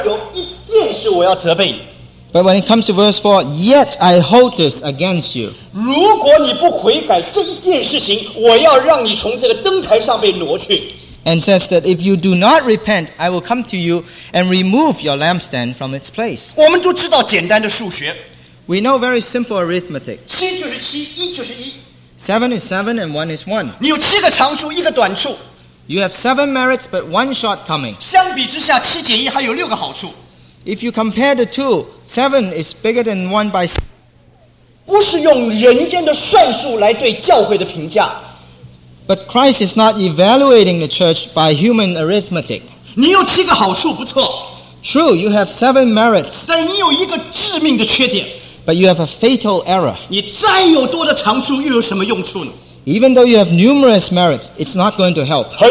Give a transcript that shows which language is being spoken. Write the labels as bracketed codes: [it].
[zh] 然后主说,然而有一件事我要责备。 [en] But when it comes to verse 4, yet I hold this against you. [zh] 如果你不悔改这一件事情,我要让你从这个灯台上被挪去。 [en] And says that if you do not repent, I will come to you and remove your lampstand from its place. [zh] 我们都知道简单的数学。 [en] We know very simple arithmetic. [zh] 七就是七,一就是一。 [en] Seven is seven and one is one. [zh] 你有七个长处,一个短处。 [en] You have seven merits but one shortcoming. [zh] 相比之下,七减一还有六个好处。 [en] If you compare the two, seven is bigger than one by seven. [zh] 不是用人间的算术来对教会的评价。 [en] But Christ is not evaluating the church by human arithmetic. [zh] 你有七个好处,不错。 [en] True, you have seven merits. [zh] 但你有一个致命的缺点。 [en] But you have a fatal error. [zh] 你再有多的长处,又有什么用处呢? [en] Even though you have numerous merits, it's not going to help.